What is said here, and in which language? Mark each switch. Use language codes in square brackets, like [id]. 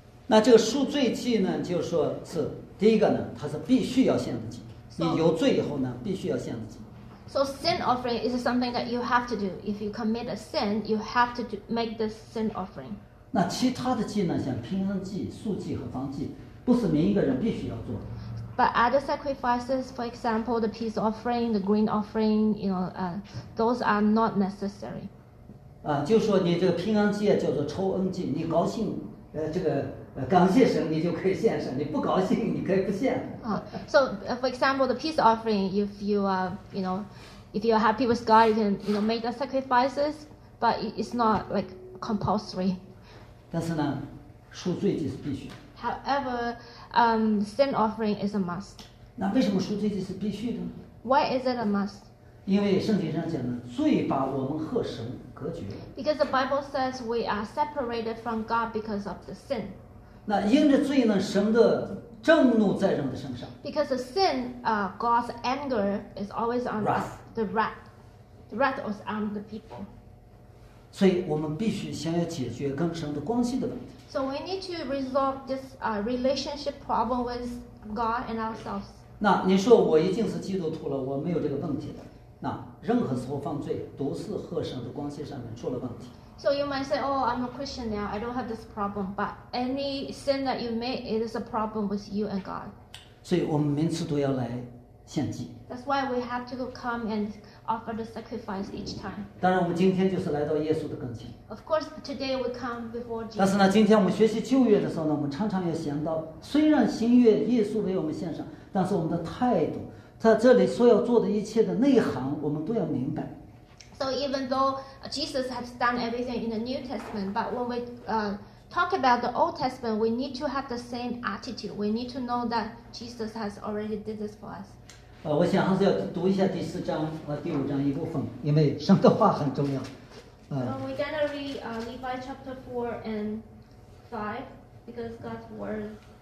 [zh] 那这个赎罪祭呢，就说是第一个呢，它是必须要献的祭。你有罪以后呢，必须要献的祭。 [en] So sin offering is something that you have to do. If you commit a sin, you have to make the sin offering. [zh] 那其他的祭呢，像平安祭、素祭和燔祭，不是每一个人必须要做的。 [en] But other sacrifices, for example, the peace offering, the grain offering, you know, those are not necessary. [zh] 就说你这个平安祭叫做酬恩祭，你高兴，这个感谢神，你就可以献上；你不高兴，你可以不献。 [en] So, for example, the peace offering, if you are, you know, if you are happy with God, you can, you know, make the sacrifices, but it's not like compulsory. [zh] 但是呢，赎罪祭是必须。 [en] However, sin offering is a must. [zh] 那为什么赎罪祭是必须的呢？ [en] Why is it a must? [zh] 因为圣经上讲的，罪把我们和神隔绝。 [en] Because the Bible says we are separated from God because of the sin. [zh] 那因着罪呢，神的震怒在人的身上。 [en] Because the sin, God's anger is always on wrath. The wrath is on the people. [zh] 所以我们必须先要解决跟神的关系的问题。 [en] So we need to resolve this relationship problem with God and ourselves. [zh] 那你说我已经是基督徒了，我没有这个问题的。那任何时候犯罪，都是和神的关系上面出了问题。 [en] So you might say, "Oh, I'm a Christian now. I don't have this problem." But any sin that you make, it is a problem with you and God. [zh] 所以我们每次都要来献祭。 [en] That's why we have to come and. Offer the sacrifice each time. [zh] 当然，我们今天就是来到耶稣的跟前。 [en] Of course, today we come before Jesus. [zh] 但是呢，今天我们学习旧约的时候呢，我们常常要想到，虽然新约耶稣为我们献上，但是我们的态度，在这里所要做的一切的内涵，我们都要明白。 [en] So even though Jesus has done everything in the New Testament, but when we talk about the Old Testament, we need to have the same attitude. We need to know that Jesus has already did this for us. [zh] 我想还是要读一下第四章和第五章一部分，因为神的话很重要。 [en] We're gonna read Levi chapter 4 and 5 because God's word.